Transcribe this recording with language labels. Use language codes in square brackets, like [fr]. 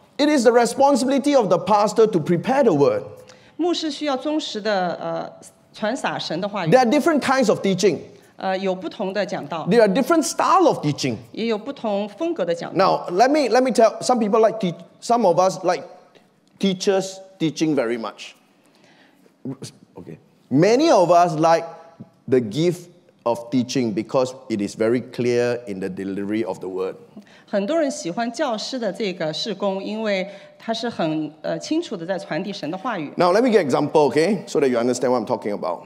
[en] It is the responsibility of the pastor to prepare the word. [zh] 牧师需要忠实的, 传撒神的话语。 [en] There are different kinds of teaching. [zh] 有不同的讲道。 [en] There are different styles of teaching. [zh] 也有不同风格的讲道。 [en] Now, let me tell, some people like teach, some of us like teachers teaching very much. Okay. Many of us like the gift of teaching because it is very clear in the delivery of the word. [zh] 很多人喜欢教师的这个事工，因为他是很清楚的在传递神的话语。 [en] Now let me get example, okay, so that you understand what I'm talking about.